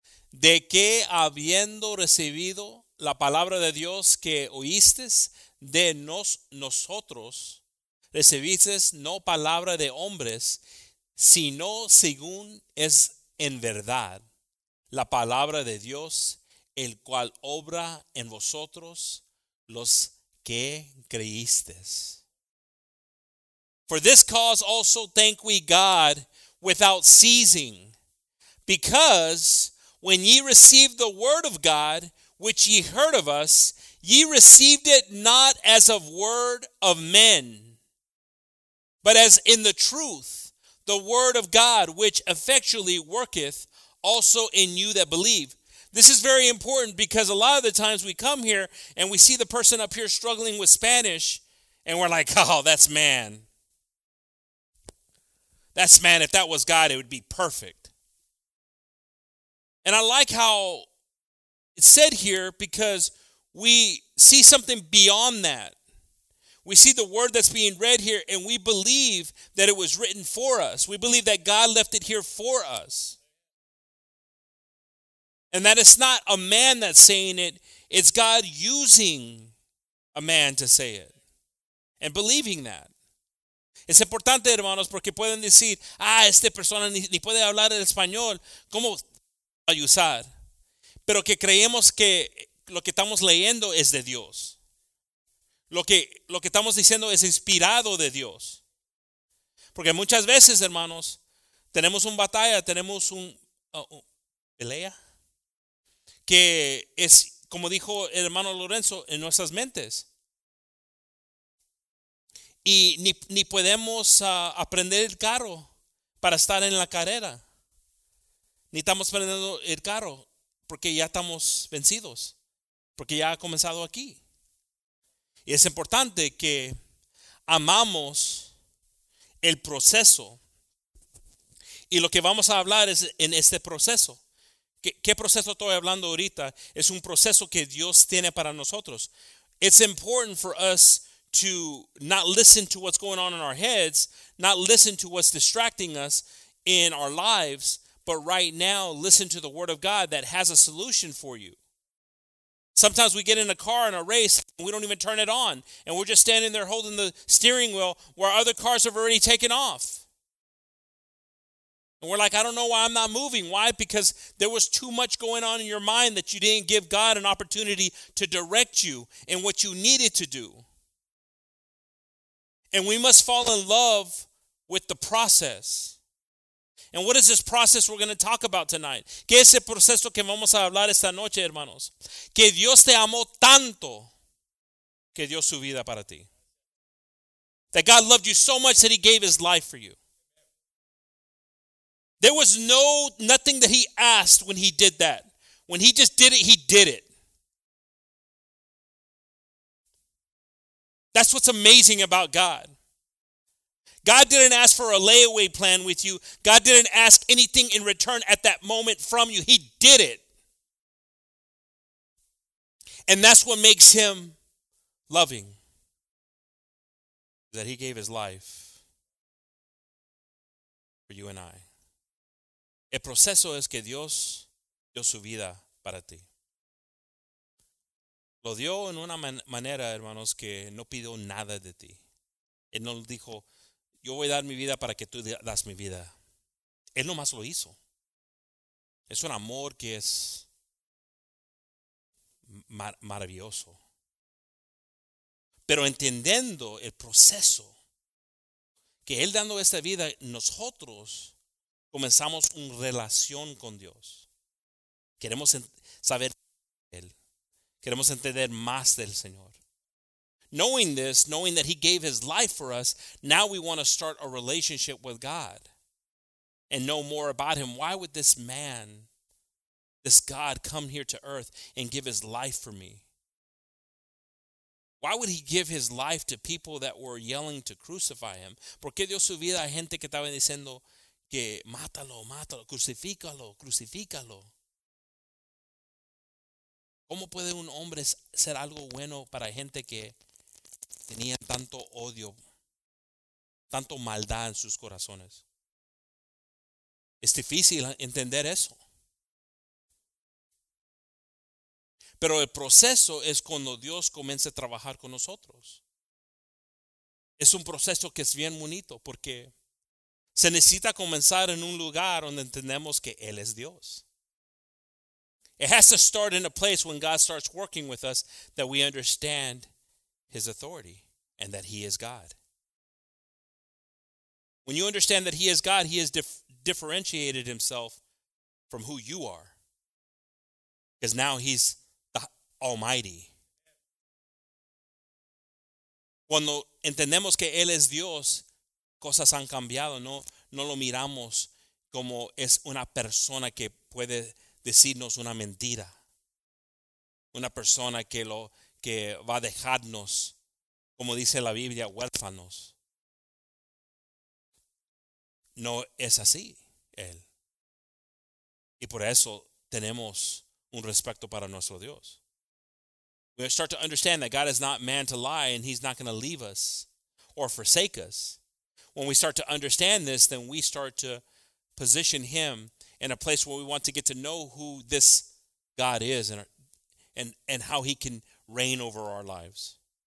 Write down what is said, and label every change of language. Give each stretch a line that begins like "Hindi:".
Spanish: de que habiendo recibido la palabra de Dios que oísteis de nosotros, recibisteis no palabra de hombres, sino según es en verdad la palabra de Dios, el cual obra en vosotros los que creísteis.
English: For this cause also thank we God without ceasing, because when ye received the word of God, which ye heard of us, ye received it not as of word of men, but as in the truth, the word of God, which effectually worketh also in you that believe. This is very important, because a lot of the times we come here and we see the person up here struggling with Spanish and we're like, oh, that's man. That's man. If that was God, it would be perfect. And I like how it's said here, because we see something beyond that. We see the word that's being read here, and we believe that it was written for us. We believe that God left it here for us. And that it's not a man that's saying it, it's God using a man to say it. And believing that.
Spanish: Es importante, hermanos, porque pueden decir, ah, esta persona ni puede hablar el español. ¿Cómo usar? Pero que creemos que lo que estamos leyendo es de Dios. Lo que estamos diciendo es inspirado de Dios. Porque muchas veces, hermanos, tenemos una batalla, tenemos una pelea, que es, como dijo el hermano Lorenzo, en nuestras mentes. Y ni podemos aprender el carro para estar en la carrera. Ni estamos aprendiendo el carro porque ya estamos vencidos. Porque ya ha comenzado aquí. Y es importante que amamos el proceso. Y lo que vamos a hablar es en este proceso. ¿Qué proceso estoy hablando ahorita? Es un proceso que Dios tiene para nosotros.
English: It's important for us to not listen to what's going on in our heads, not listen to what's distracting us in our lives, but right now listen to the word of God that has a solution for you. Sometimes we get in a car in a race and we don't even turn it on, and we're just standing there holding the steering wheel where other cars have already taken off. And we're like, I don't know why I'm not moving. Why? Because there was too much going on in your mind that you didn't give God an opportunity to direct you in what you needed to do. And we must fall in love with the process. And what is this process we're going to talk about tonight?
Spanish: ¿Qué es el proceso que vamos a hablar esta noche, hermanos? Que Dios te amó tanto que dio su vida para ti.
English: That God loved you so much that he gave his life for you. There was nothing that he asked when he did that. When he just did it, he did it. That's what's amazing about God. God didn't ask for a layaway plan with you. God didn't ask anything in return at that moment from you. He did it. And that's what makes him loving. That he gave his life for you and I.
Spanish: El proceso es que Dios dio su vida para ti. Lo dio en una manera, hermanos, que no pidió nada de ti. Él no dijo, yo voy a dar mi vida para que tú das mi vida. Él nomás lo hizo. Es un amor que es maravilloso. Pero entendiendo el proceso, que Él dando esta vida, nosotros comenzamos una relación con Dios. Queremos saber de Él. Queremos entender más del Señor.
English: Knowing this, knowing that he gave his life for us, now we want to start a relationship with God and know more about him. Why would this man, this God, come here to earth and give his life for me? Why would he give his life to people that were yelling to crucify him?
Spanish: ¿Por qué dio su vida a gente que estaba diciendo que mátalo, mátalo, crucifícalo, crucifícalo? ¿Cómo puede un hombre ser algo bueno para gente que tenía tanto odio, tanto maldad en sus corazones? Es difícil entender eso. Pero el proceso es cuando Dios comienza a trabajar con nosotros. Es un proceso que es bien bonito porque se necesita comenzar en un lugar donde entendemos que Él es Dios.
English: It has to start in a place when God starts working with us that we understand his authority and that he is God. When you understand that he is God, he has differentiated himself from who you are. Because now he's the Almighty.
Spanish: Cuando entendemos que él es Dios, cosas han cambiado. No lo miramos como es una persona que puede decirnos una mentira, una persona que va a dejarnos, como dice la Biblia, huérfanos. No es así él. Y por eso tenemos un respeto para nuestro Dios.
English: We start to understand that God is not man to lie and he's not going to leave us or forsake us. When we start to understand this, then we start to position him in a place where we want to get to know who this God is and how he can reign over our lives.